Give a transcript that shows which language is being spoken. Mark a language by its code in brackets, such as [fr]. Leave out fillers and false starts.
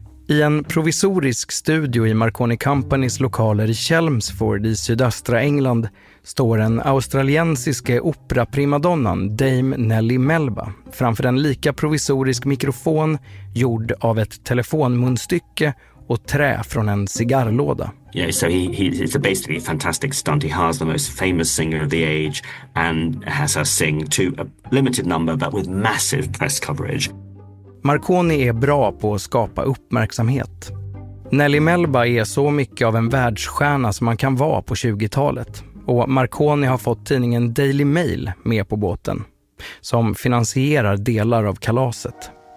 [sv] I en provisorisk studio i Marconi Companys lokaler i Chelmsford i sydöstra England står den australiensiske operaprimadonnan Dame Nellie Melba framför en lika provisorisk mikrofon gjord av ett telefonmunstycke och trä från en cigarrlåda. [en] Yeah, so he it's a basically fantastic stunt. He has the most famous singer of the age and has her sing to a limited number but with massive press coverage. [sv] Marconi är bra på att skapa uppmärksamhet. Nellie Melba är så mycket av en världsstjärna som man kan vara på 20-talet. Och Marconi har fått tidningen Daily Mail med på båten som finansierar delar av kalaset.